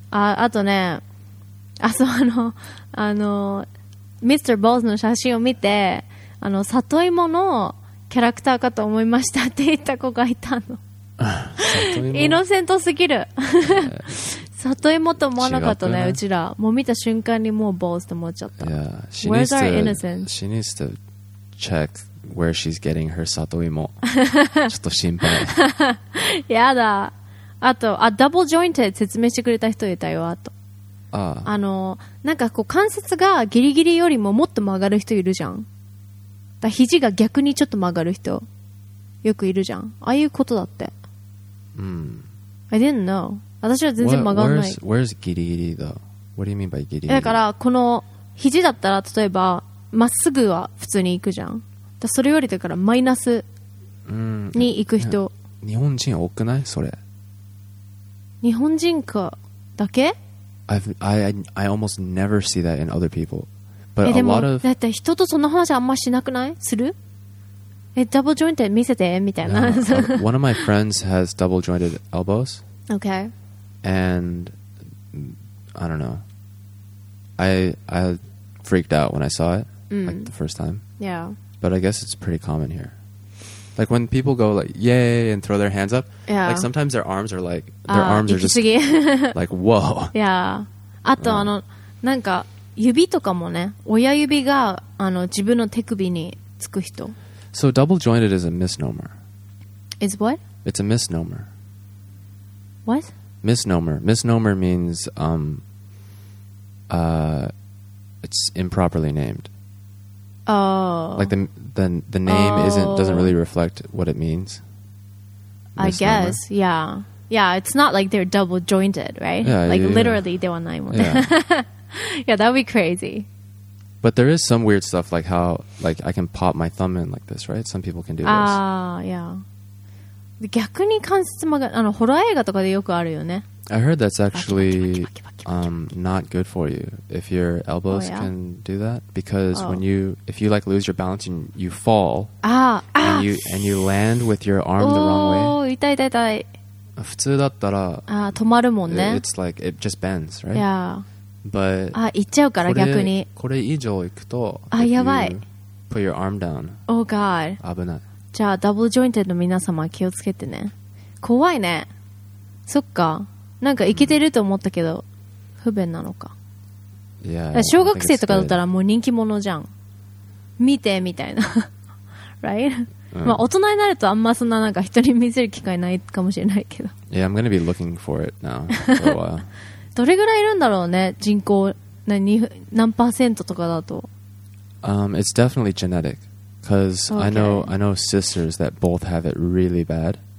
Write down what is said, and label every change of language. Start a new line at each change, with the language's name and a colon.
Japanese: あとね、あそうあの Mr. Balls の写真を見てあの里芋のキャラクターかと思いましたって言った子がいたの。イノセントすぎる里芋と思わなかったねうちらもう見た瞬間にもう坊主と思っちゃった
English: yeah, she Where's needs our to, innocence? She needs to check where she's getting her 里芋
Japanese: ちょっと心配やだあとあダブルジョイント説明してくれた人いたよあとあのなんかこう関節がギリギリよりももっと曲がる人いるじゃん。だ肘が逆にちょっと曲がる人よくいるじゃん。ああいうことだって。うん。
English: I didn't know。
Japanese: 私は全然曲がんない。
English: Where's ギリギリ though? What do you mean by ギリギリ？
Japanese: だからこの肘だったら例えばまっすぐは普通に行くじゃん。だそれよりだからマイナスに行く人。うん、日本人多くない？それ。日本人かだけ？
English: I almost never see that in other people. But a lot of
Japanese: だって人とその話あんましなくない？する？え、double jointed 見せてみたいな。
English: One of my friends has double jointed elbows. Okay. And I don't know. I freaked out when I saw it, like the first time. Yeah. But I guess it's pretty common here. Like when people go like yay and throw their hands up. Yeah. Like sometimes their arms are like their arms are just like whoa. Yeah.
Japanese: あとあのなんか指とかもね、親指があの自分の手首につく人。
English: So double jointed is a misnomer. Is what? It's a misnomer. What? Misnomer. Misnomer means it's improperly named. Oh. Like the name doesn't really reflect what it means. Misnomer. I guess. Yeah. Yeah. It's not like they're double jointed, right? Yeah. Like yeah, literally, they want nine. Yeah, that'd be crazy. But there is some weird stuff like how like I can pop my thumb in like this, right? Some people can do this. Yeah.
Japanese: 逆に関節曲がる、あのホラー映画とかでよくあるよね。
English: I heard that's actually not good for you if your elbows can do that, because when you if you like lose your balance and you fall and you land with your arm the wrong way.
Japanese: Oh, 痛い痛い痛い。普通だったら止まるもんね。
English: It's like it just bends, right? Yeah. But
Japanese: あ、行っちゃうから逆にこれ以上行くとあ、やばい。
English: Put your arm down. Oh god.
Japanese: 危ない。じゃあダブルジョイントの皆様気をつけてね。怖いね。そっか、なんか行けてると思ったけど、不便なのか。
English: Yeah,
Japanese: 小学生とかだったらもう人気者じゃん、見てみたいな。
English: Right?
Japanese: まあ大人になるとあんまそんななんか人に見せる機会ないかもしれないけど。
English: Yeah, I'm gonna be looking for it now for a while.
Japanese: どれぐらいいるんだろうね、人口 何パーセントとかだと。
English: It's definitely genetic, because、okay. I know sisters that both have it really bad.